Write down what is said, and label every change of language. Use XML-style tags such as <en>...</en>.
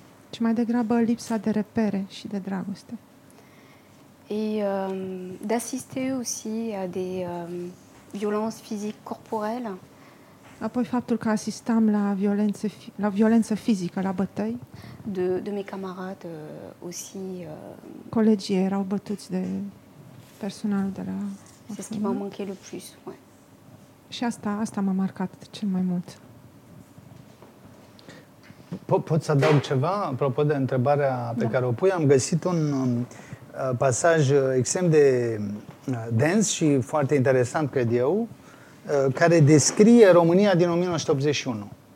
<ro>Ci mai degrabă lipsa de repere și de dragoste.</ro> <fr>Et d'assister aussi à des violences physiques corporelles.</fr> <ro>Apoi faptul că asistam la violență, la violență fizică, la bătăi.</ro> <fr>De mes camarades aussi.</fr> <ro>Colegii erau bătuți de personalul de la...</ro> <fr>C'est ce qui m'a manqué le plus, ouais.</fr> <ro>Și asta m-a marcat cel mai mult. Pot să adaug ceva apropo de întrebarea pe care o pui? Am găsit un pasaj extrem de dens și foarte interesant, cred eu, care descrie România din 1981.</ro>